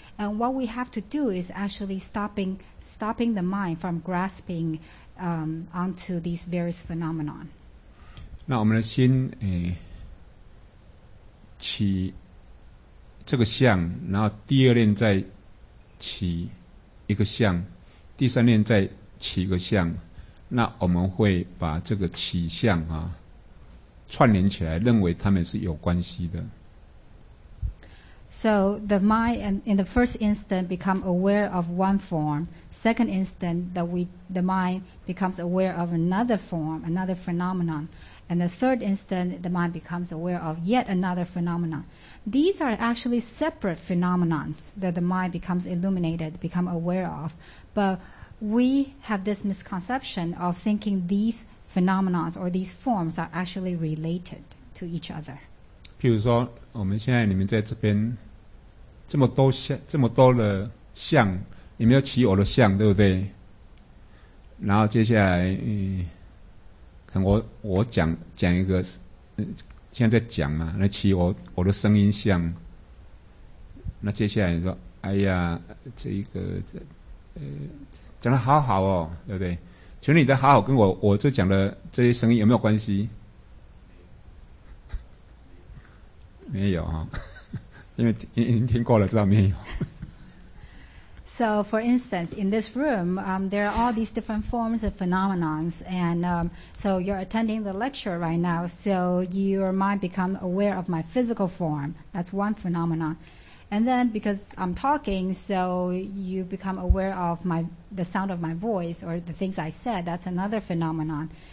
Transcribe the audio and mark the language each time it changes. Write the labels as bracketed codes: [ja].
[en] And what we have to do is actually stopping the mind from grasping onto these various phenomena. [zh] 那我们的心，起这个相，然后第二念再起一个相，第三念再起一个相。那我们会把这个起相啊串联起来，认为他们是有关系的。 [en] So the mind in the first instant become aware of one form. Second instant that the mind becomes aware of another form, another phenomenon. And the third instant the mind becomes aware of yet another phenomenon. These are actually separate phenomenons that the mind becomes illuminated, become aware of. But we have this misconception of thinking these phenomena or these forms are actually related to each other. [zh] 譬如说我们现在你们在这边这么多的相，你们要起我的相，对不对？然后接下来可能我讲一个现在在讲嘛，来起我的声音相。那接下来你说哎呀这一个这讲得好好哦，对不对？请问你的好好跟我这讲的这些声音有没有关系？没有啊，因为您听过了，知道没有。 [en] So for instance, in this room, there are all these different forms of phenomenons, and so you're attending the lecture right now. So your mind become aware of my physical form. That's one phenomenon. And then because I'm talking, so you become aware of the sound of my voice or the things I said, that's another phenomenon.